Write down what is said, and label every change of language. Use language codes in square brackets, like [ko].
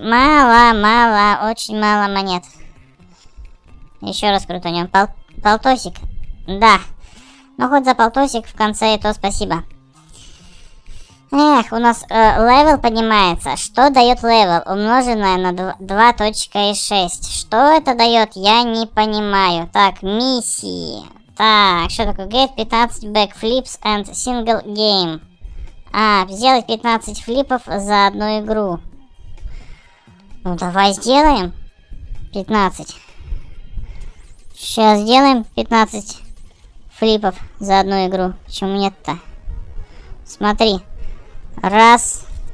[ru] Мало, мало, очень мало монет. Еще раз крутанем. Полтосик. Да. Ну, хоть за полтосик в конце, и то спасибо. Эх, у нас левел поднимается. Что дает левел, умноженное на 2.6? Что это дает, я не понимаю. Так, миссии. Так, что такое? [en] Get 15 backflips and single game. [ru] А, сделать 15 флипов за одну игру. Ну, давай сделаем. 15. Сейчас сделаем 15 флипов за одну игру. Почему нет-то? Смотри. Раз.